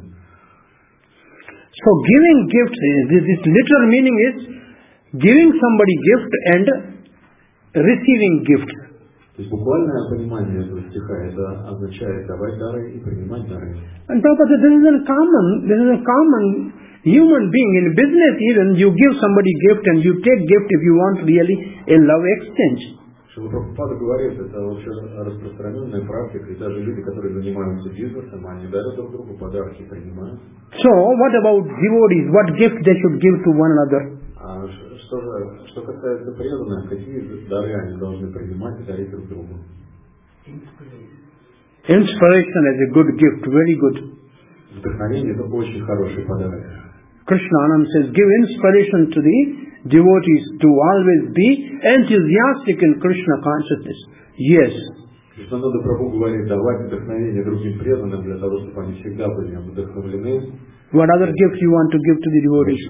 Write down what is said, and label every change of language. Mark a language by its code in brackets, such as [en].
[en] So giving gift, this literal meaning is giving somebody gift and receiving gifts. [ru] То есть буквальное понимание этого стиха это означает давать дары и принимать дары. [en] And Prabhupada, this is a common human being in business, even you give somebody gift and you take gift if you want really a love exchange. [ru] Шрила Прабхупада говорит, это вообще распространенная практика, и даже люди, которые занимаются бизнесом, они дают друг другу подарки, принимают. [en] So what about devotees? What gift they should give to one another? [ru] Что касается преданных, какие дары они должны принимать и дарить друг другу? [en] Inspiration is a good gift, very good. [ru] Вдохновение это очень хороший подарок. [en] Krishna Anand says, give inspiration to the devotees to always be enthusiastic in Krishna consciousness. Yes. [ru] Krishna Anand Prabhu говорит, давать вдохновение другим преданным для того, чтобы они всегда были вдохновлены. [en] What other gift you want to give to the devotees?